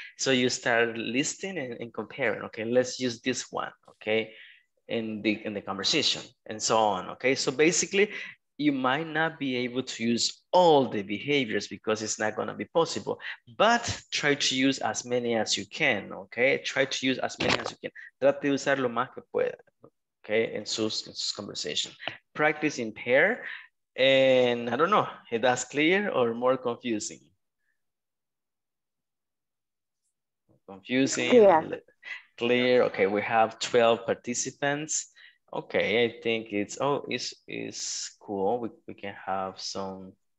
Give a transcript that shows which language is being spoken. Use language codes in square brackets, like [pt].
[en] So you start listing and comparing, okay, let's use this one, okay, in the conversation and so on, okay? So basically, you might not be able to use all the behaviors because it's not gonna be possible, but try to use as many as you can, okay? Try to use as many as you can. [es] Trate de usar lo más que pueda, okay, in sus conversation. [en] Practice in pair. And I don't know, is that clear or more confusing? Confusing, yeah. Clear, okay, we have 12 participants. Okay, I think it's, oh, it's cool. We can have some